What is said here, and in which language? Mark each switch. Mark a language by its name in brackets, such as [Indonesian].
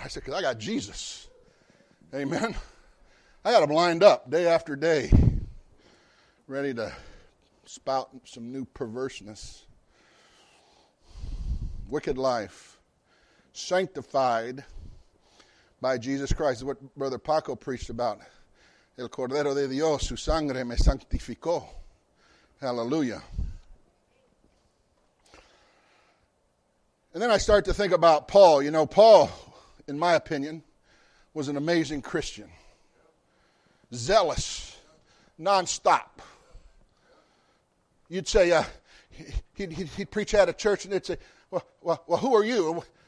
[English] I said, because I got Jesus. Amen. I got them lined up day after day, ready to spout some new perverseness. Wicked life, sanctified by Jesus Christ. What Brother Paco preached about. [Spanish] El Cordero de Dios, su sangre me santificó. [English] Hallelujah. And then I start to think about Paul. You know, Paul, in my opinion, was an amazing Christian. Zealous, nonstop. You'd say, he'd preach at a church and they'd say, well, who are you?